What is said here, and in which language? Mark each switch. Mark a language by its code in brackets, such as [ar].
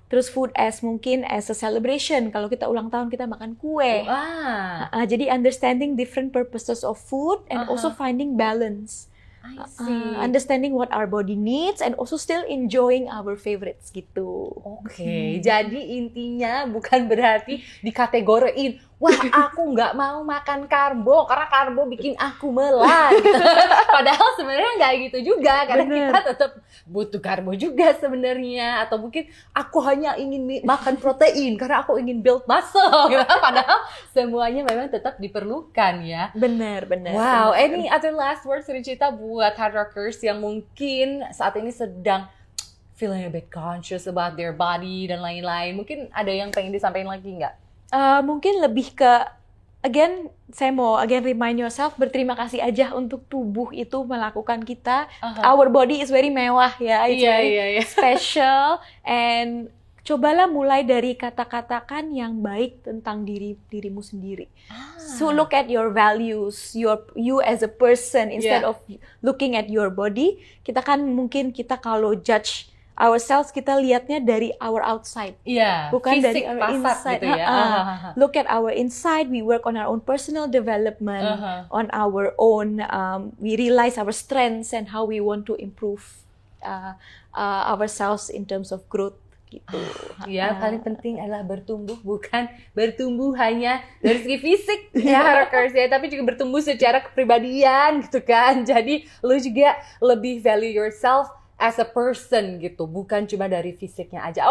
[id] Terus food as mungkin [en] as a celebration. [id] Kalau kita ulang tahun, kita makan kue. [en] Jadi understanding different purposes of food and also finding balance. Understanding what our body needs and also still enjoying our favorites gitu. [id] Jadi intinya bukan berarti dikategoriin, wah aku nggak mau makan karbo karena karbo bikin aku melat. Padahal sebenarnya nggak gitu juga, karena kita tetap butuh karbo juga sebenarnya. Atau mungkin aku hanya ingin makan protein karena aku ingin [en] build muscle. [id] Padahal semuanya memang tetap diperlukan ya. Benar. [en] Wow, any other last words Rishita buat Hard Rockers [id] yang mungkin saat ini sedang [en] feeling a bit conscious about their body [id] dan lain-lain? Mungkin ada yang pengen disampaikan lagi nggak? Mungkin lebih ke, again, saya mau [en] again remind yourself, [id] berterima kasih aja untuk tubuh itu melakukan kita. [en] Our body is very [id] mewah ya, [en] it's very special. [id] And cobalah mulai dari kata-katakan yang baik tentang dirimu sendiri. [en] So look at your values, you as a person, instead of looking at your body. [id] Kita kan mungkin kita kalau [en] judge ourselves, [id] kita lihatnya dari [en] our outside, [id] bukan fisik, dari [en] our inside. [id] Gitu ya. [en] Look at our inside. We work on our own personal development, on our own. We realize our strengths and how we want to improve. ourselves in terms of growth gitu. [id] Ya, paling penting adalah bertumbuh, bukan bertumbuh hanya dari segi fisik ya Rockers ya, tapi juga bertumbuh secara kepribadian gitu kan. Jadi lu juga lebih [en] value yourself as a person [id] gitu, bukan cuma dari fisiknya aja.